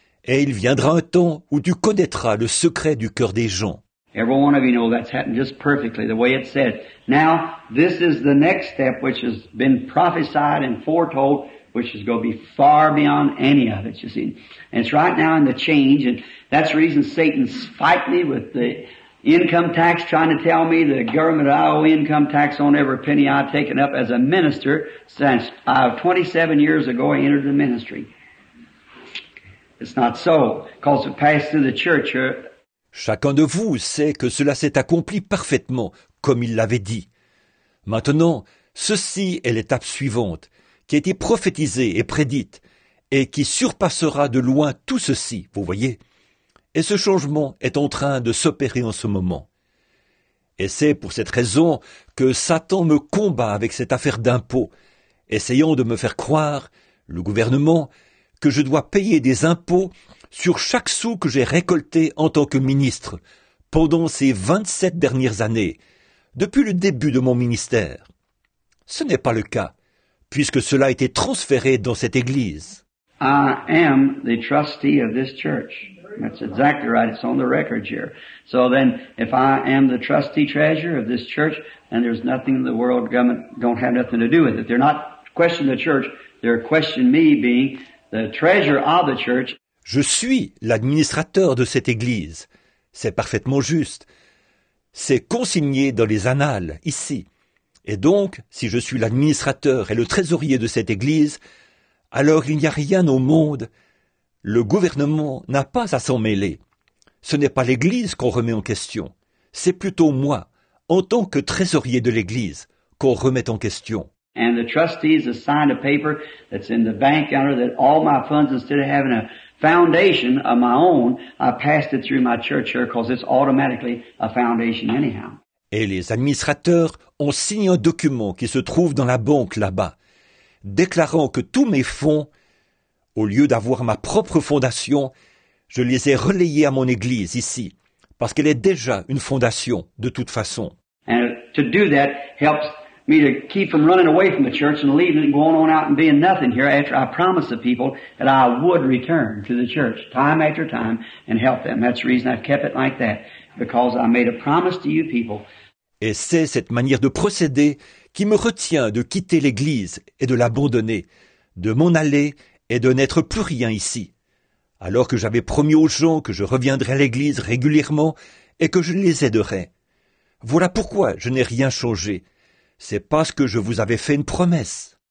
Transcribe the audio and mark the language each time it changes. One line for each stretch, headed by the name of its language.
French: Et il viendra un temps où tu connaîtras le secret du cœur des gens.
English: Every one of you know that's happened just perfectly the way it said. Now, this is the next step which has been prophesied and foretold, which is going to be far beyond any of it, you see. And it's right now in the change, and that's the reason Satan's fighting me with the income tax, trying to tell me the government I owe income tax on every penny I've taken up as a minister since 27 years ago I entered the ministry. It's not so, because it passed through the church.
French: Chacun de vous sait que cela s'est accompli parfaitement, comme il l'avait dit. Maintenant, ceci est l'étape suivante, qui a été prophétisée et prédite, et qui surpassera de loin tout ceci, vous voyez. Et ce changement est en train de s'opérer en ce moment. Et c'est pour cette raison que Satan me combat avec cette affaire d'impôts, essayant de me faire croire, le gouvernement... que je dois payer des impôts sur chaque sou que j'ai récolté en tant que ministre pendant ces 27 dernières années, depuis le début de mon ministère. Ce n'est pas le cas, puisque cela a été transféré dans cette église.
English: I am the trustee of this church. That's exactly right. It's on the record here. So then, if I am the trustee treasurer of this church, then there's nothing in the world government don't have nothing to do with it. They're not questioning the church. They're questioning me being... the treasure of the church.
French: Je suis l'administrateur de cette église. C'est parfaitement juste. C'est consigné dans les annales, ici. Et donc, si je suis l'administrateur et le trésorier de cette église, alors il n'y a rien au monde. Le gouvernement n'a pas à s'en mêler. Ce n'est pas l'église qu'on remet en question. C'est plutôt moi, en tant que trésorier de l'église, qu'on remet en question.
English: And the trustees have signed a paper that's in the bank under that all my funds, instead of having a foundation of my own, I passed it through my church here because it's automatically a foundation anyhow.
French: Et les administrateurs ont signé un document qui se trouve dans la banque là-bas, déclarant que tous mes fonds, au lieu d'avoir ma propre fondation, je les ai relayés à mon église ici, parce qu'elle est déjà une fondation de toute façon.
English: And to do that helps... me to keep from running away from the church and leaving and going on out and being nothing here after I promised the people that I would return to the church time after time and help them. That's the reason I've kept it like that, because I made a promise to you people.
French: Et c'est cette manière de procéder qui me retient de quitter l'église et de l'abandonner, de m'en aller et de n'être plus rien ici. Alors que j'avais promis aux gens que je reviendrais à l'église régulièrement et que je les aiderais. Voilà pourquoi je n'ai rien changé. C'est parce que je vous avais fait une promesse.